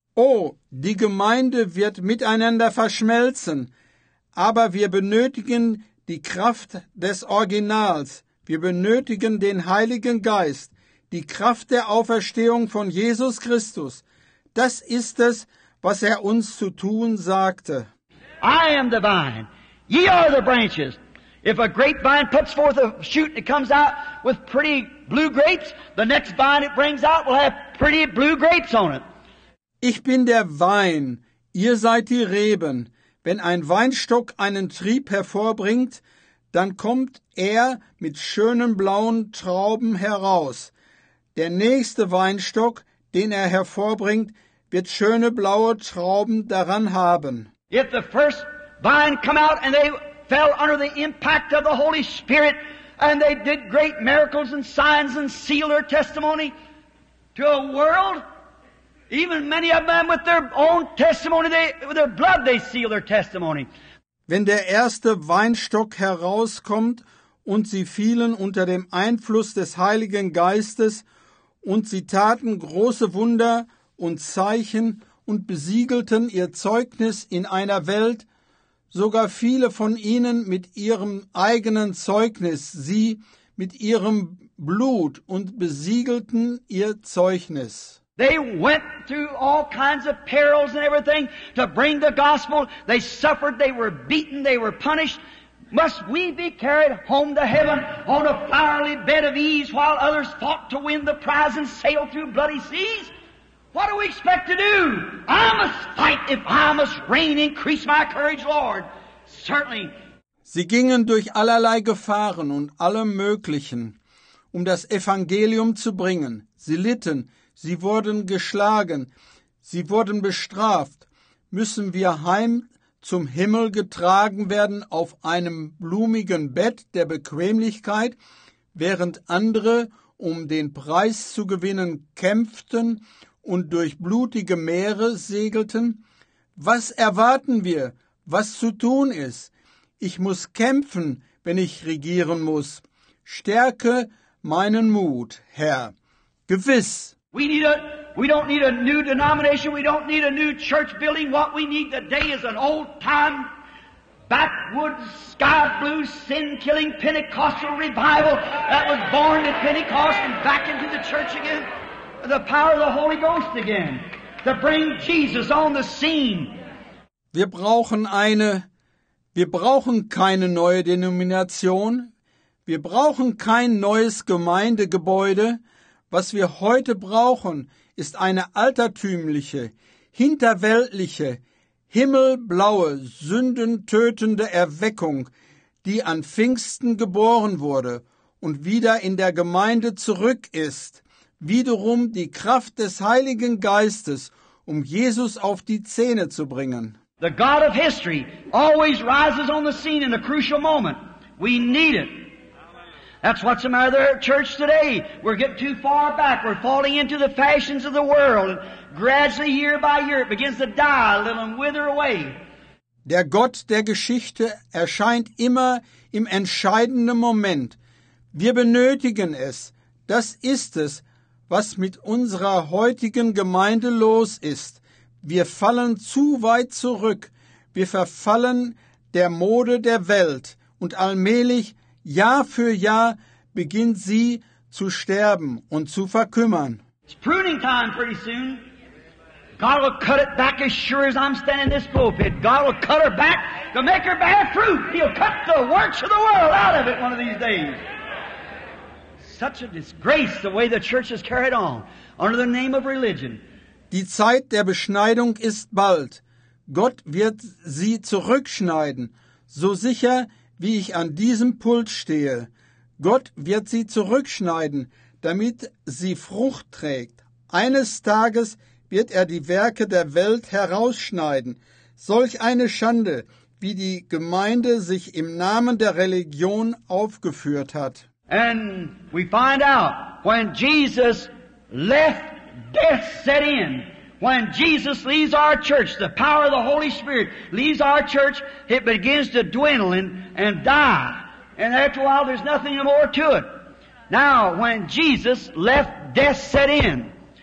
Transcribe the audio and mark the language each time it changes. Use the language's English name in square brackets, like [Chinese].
[German] Oh, die Gemeinde wird miteinander verschmelzen, aber wir benötigen die Kraft des Originals. Wir benötigen den Heiligen Geist, die Kraft der Auferstehung von Jesus Christus. Das ist es, was er uns zu tun sagte. [English] I am the vine. Ye are the branches. If a grapevine puts forth a shoot and it comes out with pretty blue grapes, the next vine it brings out will have pretty blue grapes on it. [German] Ich bin der Wein. Ihr seid die Reben. Wenn ein Weinstock einen Trieb hervorbringt, dann kommt er mit schönen blauen Trauben heraus. Der nächste Weinstock, den er hervorbringt, wird schöne blaue Trauben daran haben. [English] If the first vine come out and they fell under the impact of the Holy Spirit and they did great miracles and signs and sealed their testimony to a world, even many of them with their own testimony, with their blood they seal their testimony. [German] Wenn der erste Weinstock herauskommt und sie fielen unter dem Einfluss des Heiligen Geistes, und sie taten große Wunder und Zeichen und besiegelten ihr Zeugnis in einer Welt, sogar viele von ihnen mit ihrem eigenen Zeugnis, sie mit ihrem Blut und besiegelten ihr Zeugnis. [English] They went through all kinds of perils and everything to bring the gospel. They suffered, they were beaten, they were punished. Must we be carried home to heaven on a fiery bed of ease while others fought to win the prize and sail through bloody seas? What do we expect to do? I must fight if I must reign, increase my courage, Lord. Certainly. [German] Sie gingen durch allerlei Gefahren und allem Möglichen, um das Evangelium zu bringen. Sie litten, sie wurden geschlagen, sie wurden bestraft. Müssen wir heim zum Himmel getragen werden auf einem blumigen Bett der Bequemlichkeit, während andere, um den Preis zu gewinnen, kämpften und durch blutige Meere segelten? Was erwarten wir, was zu tun ist? Ich muss kämpfen, wenn ich regieren muss. Stärke meinen Mut, Herr. Gewiss. [English] We don't need a new denomination. We don't need a new church building. What we need today is an old-time, backwoods, sky-blue, sin-killing Pentecostal revival that was born at Pentecost and back into the church again. The power of the Holy Ghost again. To bring Jesus on the scene. [German] Wir brauchen keine neue Denomination. Wir brauchen kein neues Gemeindegebäude. Was wir heute brauchen, ist eine altertümliche, hinterweltliche, himmelblaue, sündentötende Erweckung, die an Pfingsten geboren wurde und wieder in der Gemeinde zurück ist. Wiederum die Kraft des Heiligen Geistes, um Jesus auf die Zähne zu bringen. [English] The God of history always rises on the scene in a crucial moment. We need it. That's what's the matter there at church today. We're getting too far back. We're falling into the fashions of the world. And gradually, year by year, it begins to die a little and wither away. [German] Der Gott der Geschichte erscheint immer im entscheidenden Moment. Wir benötigen es. Das ist es, was mit unserer heutigen Gemeinde los ist. Wir fallen zu weit zurück. Wir verfallen der Mode der Welt und allmählich Jahr für Jahr beginnt sie zu sterben und zu verkümmern. [English] It's pruning time pretty soon. God will cut it back as sure as I'm standing in this pulpit. God will cut her back to make her bear fruit. He'll cut the works of the world out of it one of these days. Such a disgrace the way the church has carried on under the name of religion. [German] Die Zeit der Beschneidung ist bald. Gott wird sie zurückschneiden, so sicher wie ich an diesem Pult stehe. Gott wird sie zurückschneiden, damit sie Frucht trägt. Eines Tages wird er die Werke der Welt herausschneiden. Solch eine Schande, wie die Gemeinde sich im Namen der Religion aufgeführt hat. [English] And we find out, when Jesus left, death set in. When Jesus leaves our church, the power of the Holy Spirit leaves our church, it begins to dwindle and die. And after a while, there's nothing more to it. Now, when Jesus left, death set in.